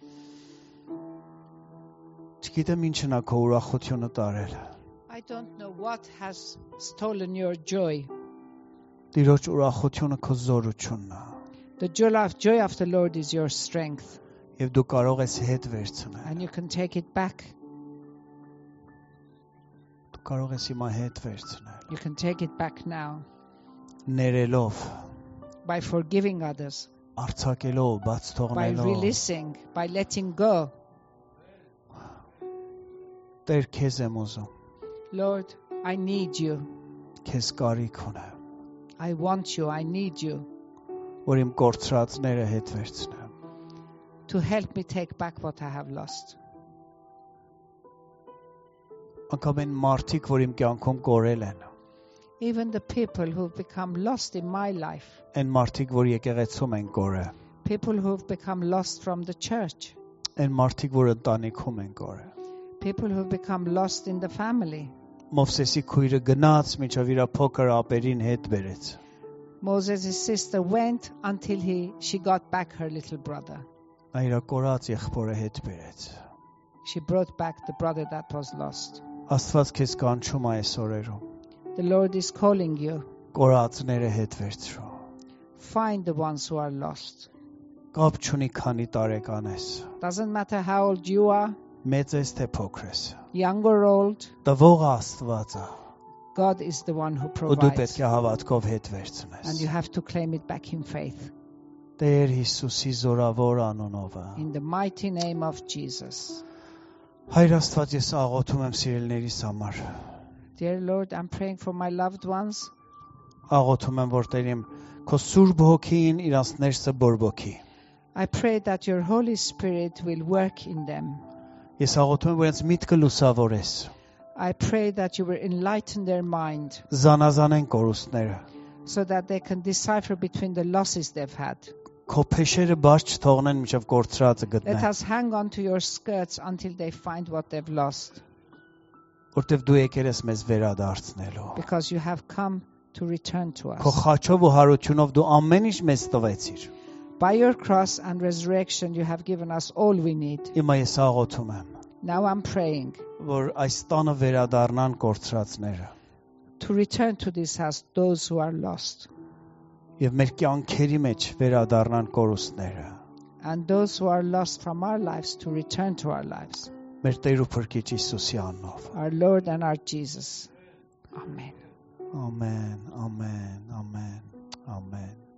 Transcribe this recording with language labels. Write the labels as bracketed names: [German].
[Armenian] Չգիտեմ ինչ նա քո ուրախությունը տարել։ [English] I don't know what has stolen your joy. [Armenian] Տիրոջ ուրախությունը քո զորությունն է։ [English] The joy of the Lord is your strength. [Armenian] Եվ դու կարող ես հետ վերցնել։ [English] And you can take it back. [Armenian] Կարող ես իմ հետ վերցնել։ [English] You can take it back now. [Armenian] Ներելով։ [English] By forgiving others. [Armenian] արցակելով, բաց թողնելով, [English] by releasing, by letting go. [Armenian] Տեր, քեզ եմ ուզում. [English] Lord, I need you. [Armenian] Քեզ կարիք ունեմ. [English] I want you, I need you. [Armenian] Որ իմ կորցրածները հետ վերցնեմ. [English] To help me take back what I have lost. [Armenian] Ակամեն մարդիկ, որ իմ կյանքում կորել են. [English] Even the people who've become lost in my life. [Armenian] Այն մարդիկ, որ եկեղեցում են կորը. [English] People who've become lost from the church. [Armenian] Այն մարդիկ, որ ընտանիքում են կորը. [English] People who've become lost in the family. [Armenian] Մովսեսի քույրը գնաց միջով իր փոքր ապերին հետ բերեց. [English] Moses's sister went until she got back her little brother. [Armenian] Նա իր կորած եղբորը հետ բերեց. [English] She brought back the brother that was lost. [Armenian] Աստված քեզ կանչում այս օրերում. [English] The Lord is calling you. [Armenian] Կորածները հետ վերցրու. [English] Find the ones who are lost. [Armenian] Կապ չունի քանի տարեկան ես. [English] Doesn't matter how old you are. [Armenian] Մեծ ես թե փոքր ես. [English] Young or old. [Armenian] Տվող Աստվածը. [English] God is the one who provides. [Armenian] Ու դու պետք է հավատքով հետ վերցնես. [English] And you have to claim it back in faith. [Armenian] Տեր Հիսուսի զորավոր անունով. [English] In the mighty name of Jesus. [Armenian] Հայր Աստված, ես աղոթում եմ սիրելիներիս համար. [English] Dear Lord, I'm praying for my loved ones. [Armenian] Աղոթում եմ, որ Տեր իմ քո Սուրբ Հոգին իրանց ներսը բորբոքի. [English] I pray that your Holy Spirit will work in them. [Armenian] Ես աղոթում եմ, որ իրանց միտքը լուսավորես. [English] I pray that you will enlighten their mind. [Armenian] Զանազանեն կորուստները. [English] So that they can decipher between the losses they've had. [Armenian] Քո փեշերը բարձ չթողնեն մինչև կորցրածը գտնեն. [English] Let us hang on to your skirts until they find what they've lost. [Armenian] Որտեվ դու եկել ես մեզ վերադարձնելու. [English] Because you have come to return to us. [Armenian] Քո խաչով ու հարությունով դու ամեն ինչ մեզ տվեցիր. [English] By your cross and resurrection you have given us all we need. [Armenian] Հիմա ես աղոթում եմ. [English] Now I'm praying. [Armenian] Որ այս տանը վերադառնան կորցրածները. [English] To return to this house those who are lost. [Armenian] Եվ մեր կյանքերի մեջ վերադառնան կորուստները. [English] And those who are lost from our lives to return to our lives. [Armenian] Մեր Տեր ու Փրկիչ Հիսուսի անունով. [English] Our Lord and our Jesus. Amen. Amen. Amen. Amen. Amen.